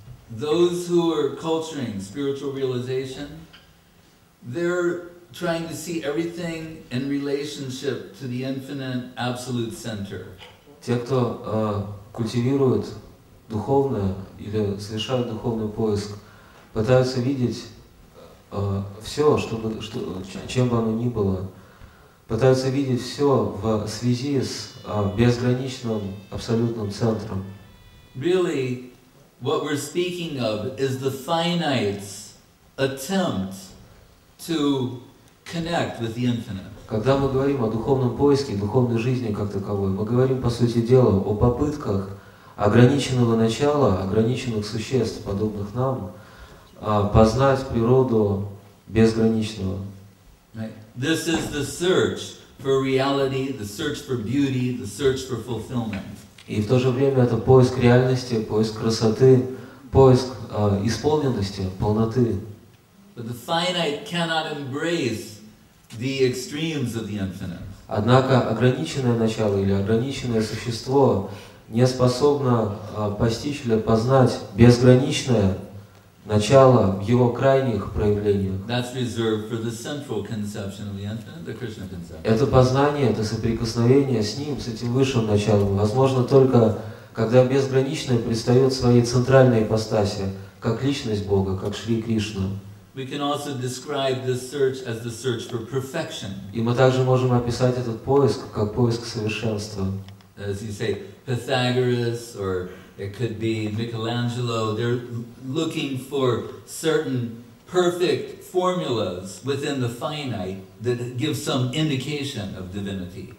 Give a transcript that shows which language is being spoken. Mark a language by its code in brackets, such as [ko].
[en] those who are culturing spiritual realization, they're trying to see everything in relationship to the infinite absolute center. [ru] Те, кто культивирует духовное или совершают духовный поиск, пытаются видеть все, чтобы, что, чем бы оно ни было, пытаются видеть все в связи с безграничным абсолютным центром. [en] Really, what we're speaking of is the finite's attempt to connect with the infinite. [ru] Когда мы говорим о духовном поиске, духовной жизни как таковой, мы говорим, по сути дела, о попытках ограниченного начала, ограниченных существ, подобных нам, познать природу безграничного. [en] This is the search for reality, the search for beauty, the search for fulfillment. [ru] И в то же время это поиск реальности, поиск красоты, поиск исполненности, полноты. [en] But the finite cannot embrace the extremes of the infinite. [ru] Однако ограниченное начало или ограниченное существо не способно постичь или познать безграничное начало в его крайних проявлениях. [en] That's reserved for the central conception of the infinite, the Krishna conception. [ru] Это познание, это соприкосновение с ним, с этим высшим началом, возможно только, когда безграничное предстает в своей центральной ипостаси, как личность Бога, как Шри Кришна. [en] We can also describe this search as the search for perfection. [ru] И мы также можем описать этот поиск как поиск совершенства. [en] As you say, Pythagoras, or it could be Michelangelo, they're looking for certain perfect formulas within the finite that give some indication of divinity.